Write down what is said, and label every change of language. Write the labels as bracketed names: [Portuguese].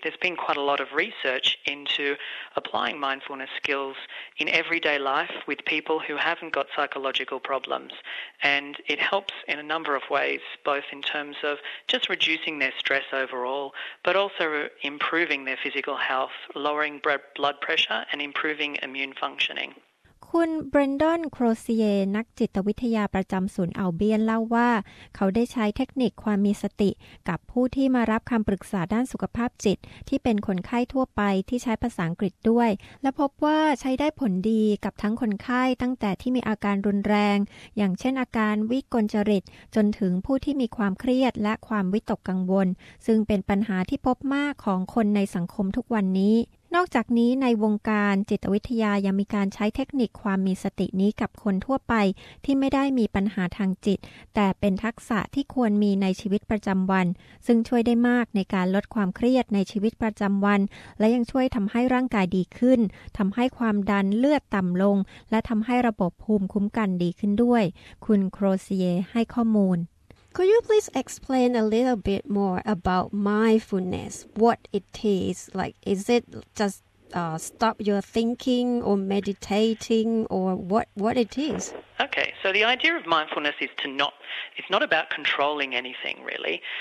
[English] There's been quite a lot of research into applying mindfulness skills in everyday life with people who haven't got psychological problems. And it helps in a number of ways, both in terms of just reducing their stress overall, but also improving their physical health, lowering blood pressure and improving immune functioning. [Thai] คุณเบรนดอนโครเซียนักจิตวิทยาประจำศูนย์อัลเบียนเล่าว่าเขาได้ใช้เทคนิคความมีสติกับผู้ที่มารับคำปรึกษาด้านสุขภาพจิตที่เป็นคนไข้ทั่วไปที่ใช้ภาษาอังกฤษด้วยและพบว่าใช้ได้ผลดีกับทั้งคนไข้ตั้งแต่ที่มีอาการรุนแรง อย่างเช่นอาการวิกลจริตจนถึงผู้ที่มีความเครียดและความวิตกกังวลซึ่งเป็นปัญหาที่พบมากของคนในสังคมทุกวันนี้นอกจากนี้ในวงการจิตวิทยายังมีการใช้เทคนิคความมีสตินี้กับคนทั่วไป ที่ไม่ได้มีปัญหาทางจิตแต่เป็นทักษะที่ควรมีในชีวิตประจำวันซึ่งช่วยได้มากในการลดความเครียดในชีวิตประจำวันและยังช่วยทำให้ร่างกายดีขึ้นทำให้ความดันเลือดต่ำลงและทำให้ระบบภูมิคุ้มกันดีขึ้นด้วยคุณโครเซียให้ข้อมูล [English] Could you please explain a little bit more about mindfulness? What it is like? Is it juststop your thinking or meditating or what it is? Okay, so the idea of mindfulness is to not, it's not about controlling anything really.